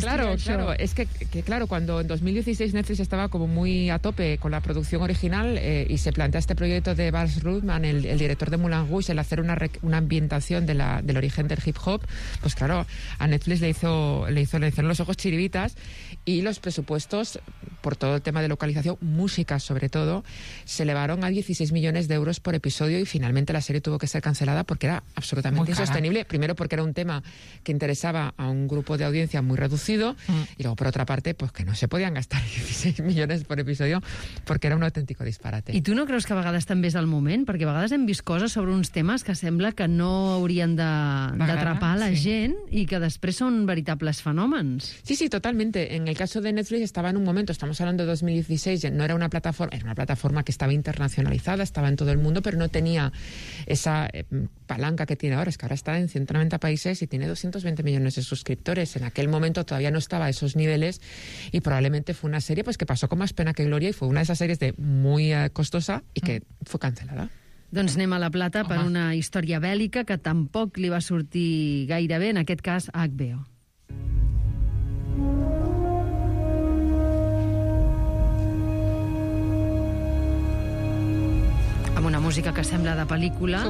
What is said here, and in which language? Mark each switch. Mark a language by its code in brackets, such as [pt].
[es] Claro, claro, es que claro, cuando en 2016 Netflix estaba como muy a tope con la producción original y se plantea este proyecto de Baz Luhrmann, el director de Moulin Rouge, el hacer una ambientación del origen del hip hop, pues claro, a Netflix le hicieron los ojos chirivitas y los presupuestos, por todo el tema de localización, música sobre todo, se elevaron a 16 millones de euros por episodio y finalmente la serie tuvo que ser cancelada porque era absolutamente insostenible. Primero porque era un tema que interesaba a un grupo de audiencia muy reducido y luego por otra parte pues que no se podían gastar 16 millones por episodio porque era un auténtico disparate. ¿Y tú no crees [ca] que a vegades també és el moment? Perquè a vegades hem vist coses sobre uns temes que sembla que no haurien d'atrapar la gent i que després són veritables fenòmens. [es] Sí, sí, totalmente. En el caso de Netflix estaba en un momento, estamos hablando de 2016, no era una plataforma, era una plataforma que estaba internacionalizada, estaba en todo el mundo, pero no tenía esa palanca que tiene ahora, es que ahora está en 190 países y tiene 220 millones de suscriptores. En aquel momento todavía no estaba a esos niveles y probablemente fue una serie pues que pasó con más pena que gloria y fue una de esas series de muy costosa y que fue cancelada. [ca] Doncs anem a la plata per una història bèl·lica que tampoc li va sortir gaire bé, en aquest cas HBO. Una música que sembla de pel·lícula.